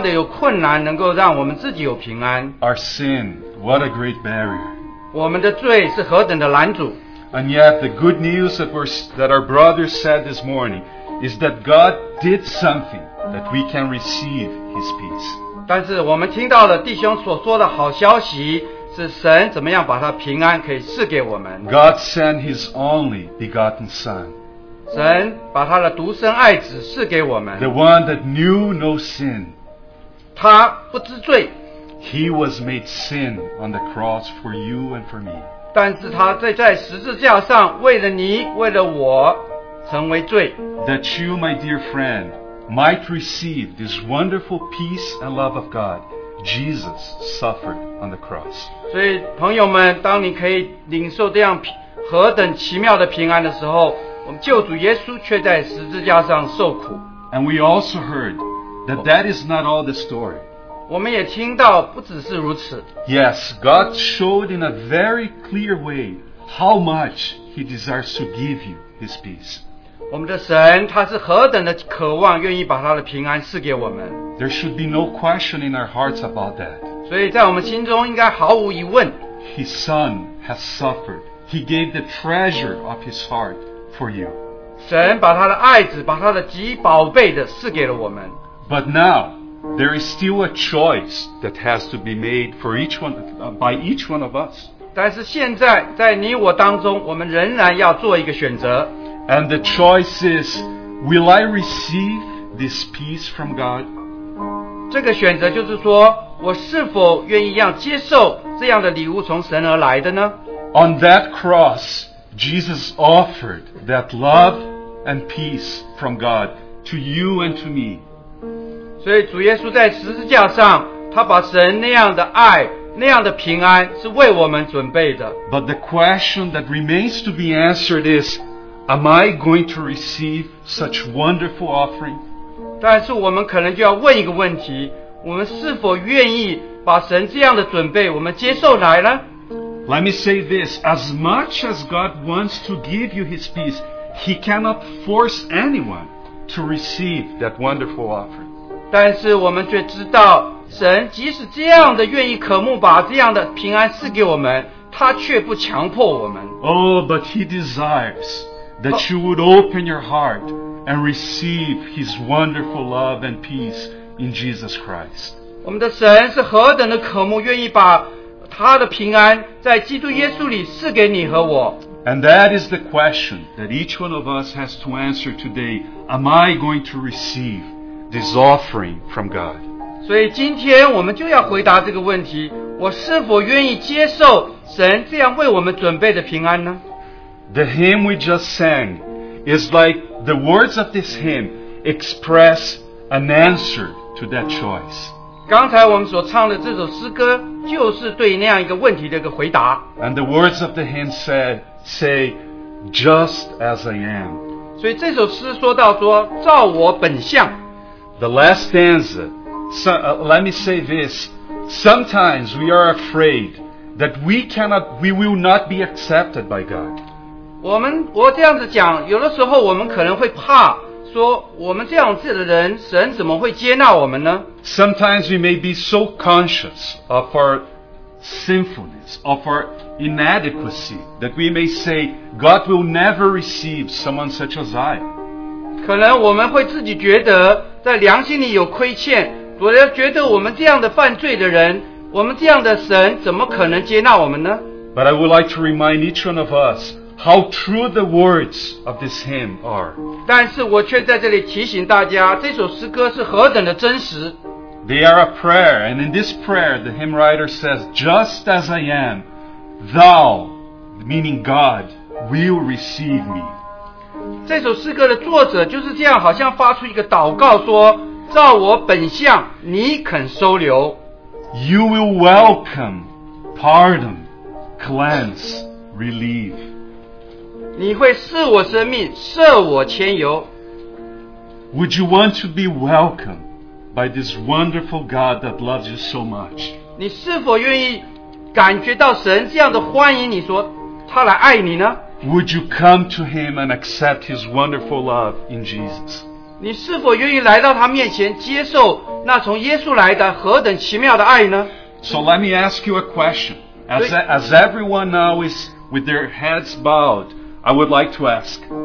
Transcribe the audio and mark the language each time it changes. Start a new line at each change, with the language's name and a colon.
Chinese: 今天早上我们也听到我们自己人是怎么样的有困难能够让我们自己有平安。
English: Our sin, what a great barrier.
Chinese: 我们的罪是何等的拦阻。
English: And yet the good news that our brother said this morning is that God did something that we can receive his peace.
Chinese: 但是我们听到了弟兄所说的好消息，是神怎么样把他平安可以赐给我们。
English: God sent his only begotten son.
Chinese: 神把他的独生爱子赐给我们。
English: The one that knew no sin.
Chinese: 他不知罪。
English: He was made sin on the cross for you and for me.
Chinese: 但是他在十字架上为了你为了我成为罪。
English: That you, my dear friend, might receive this wonderful peace and love of God, Jesus suffered on the cross.
Chinese: 所以朋友们，当你可以领受这样何等奇妙的平安的时候，我们救主耶稣却在十字架上受苦。
English: And we also heard that that is not all the story.
Chinese: 我们也听到不只是如此。
English: Yes, God showed in a very clear way how much he desires to give you his peace.
Chinese: 我们的神他是何等的渴望愿意把他的平安赐给我们。
English: There should be no question in our hearts about that.
Chinese: 所以在我们心中应该毫无疑问。
English: His son has suffered. He gave the treasure of his heart for you.
Chinese: 神把他的爱子把他的极宝贝的赐给了我们。
English: But now, there is still a choice that has to be made for each one, by each one of us.
Chinese: 但是现在在你我当中我们仍然要做一个选择。
English: And the choice is, will I receive this peace from God?
Chinese: 这个选择就是说，我是否愿意要接受这样的礼物从神而来的呢？
English: On that cross, Jesus offered that love and peace from God to you and to me.
Chinese: 所以主耶稣在十字架上，他把神那样的爱，那样的平安是为我们准备的。
English: But the question that remains to be answered is,Am I going to receive such wonderful offering?
Chinese: 但是我们可能就要问一个问题，我们是否愿意把神这样的准备我们接受来呢？
English: Let me say this, as much as God wants to give you his peace, he cannot force anyone to receive that wonderful offering.
Chinese: 但是我们却知道，神即使这样的愿意渴慕把这样的平安赐给我们，他却不强迫我们。
English: Oh, but he desiresthat you would open your heart and receive his wonderful love and peace in Jesus Christ.
Chinese: 我们的神是何等的渴慕愿意把他的平安在基督耶稣里赐给你和我。
English: And that is the question that each one of us has to answer today. Am I going to receive this offering from God?
Chinese: 所以今天我们就要回答这个问题，我是否愿意接受神这样为我们准备的平安呢？
English: The hymn we just sang is like the words of this hymn express an answer to that choice.
Chinese: 刚才我们所唱的这首诗歌就是对那样一个问题的一个回答。
English: And the words of the hymn say, just as I am.
Chinese: 所以这首诗说到说照我本相。
English: The last stanza, let me say this, sometimes we are afraid that we will not be accepted by God.
Chinese: 我这样子讲，有的时候我们可能会怕说我们这样子的人神怎么会接纳我们呢？
English: Sometimes we may be so conscious of our sinfulness, of our inadequacy, that we may say God will never receive someone such as I.
Chinese: 可能我们会自己觉得在良心里有亏欠，我要觉得我们这样的犯罪的人，我们这样的神怎么可能接纳我们呢？
English: But I would like to remind each one of us,How true the words of this hymn are.
Chinese: 但是我却在这里提醒大家，这首诗歌是何等的真实。
English: They are a prayer, and in this prayer, the hymn writer says, Just as I am, thou, meaning God, will receive me.
Chinese: 这首诗歌的作者就是这样，好像发出一个祷告说，照我本相，你肯收留。
English: You will welcome, pardon, cleanse, relieve.
Chinese: 你会赐我生命，赦我牵由。
English: Would you want to be welcomed by this wonderful God that loves you so much?
Chinese: 你是否愿意感觉到神这样的欢迎你说他来爱你呢？
English: Would you come to him and accept his wonderful love in Jesus?
Chinese: 你是否愿意来到他面前接受那从耶稣来的何等奇妙的爱呢？
English: So let me ask you a question. As everyone now is with their heads bowed, I would like to ask.